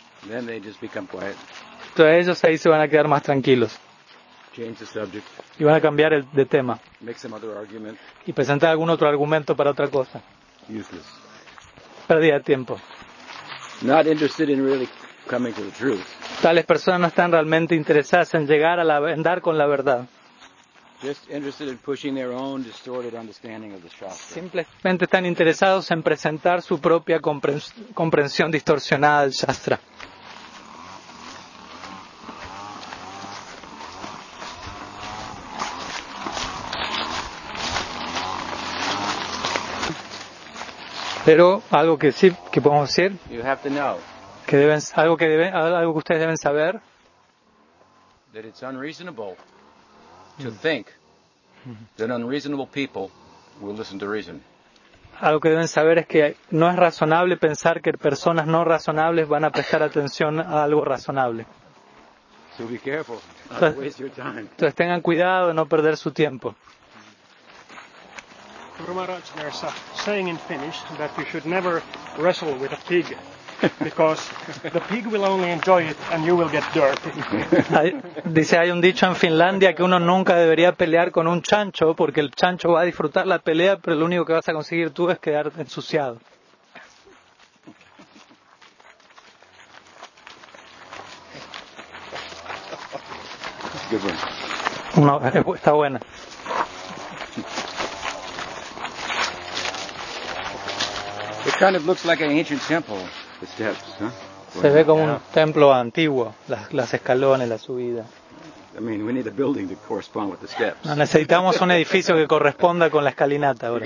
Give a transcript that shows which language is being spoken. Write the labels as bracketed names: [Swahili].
[Spanish] Entonces ellos ahí se van a quedar más tranquilos. Y van a cambiar de tema. Y presentar algún otro argumento para otra cosa. [English] Useless. [Spanish] Perdida de tiempo. [English] Not interested in really coming to the truth. [Spanish] Tales personas no están realmente interesadas en llegar a la en dar con la verdad. [English] Just interested in pushing their own distorted understanding of the shastra. [Spanish] Simplemente están interesados en presentar su propia comprensión distorsionada del shastra. Pero algo que sí que podemos decir, [English] you have to know, [Spanish] que deben algo que ustedes deben saber, [English] that it's unreasonable to think that unreasonable people will listen to reason. [Spanish] Algo que deben saber es que no es razonable pensar que personas no razonables van a prestar atención a algo razonable. [English] So be careful, not to waste your time. [Spanish] Entonces tengan cuidado de no perder su tiempo. [English] Guru Maharaj, there is a saying in Finnish that you should never wrestle with a pig because the pig will only enjoy it and you will get dirty. [Spanish] Dice, hay un dicho en Finlandia que uno nunca debería pelear con un chancho porque el chancho va a disfrutar la pelea, pero lo único que vas a conseguir tú es quedar ensuciado. No, está buena. [English] Kind of looks like an ancient temple, the steps, huh? [Spanish] Se ve como un templo antiguo, las escalones, la subida. [English] I mean, we need a building to correspond with the steps. [Spanish] No, necesitamos un edificio que corresponda con la escalinata ahora.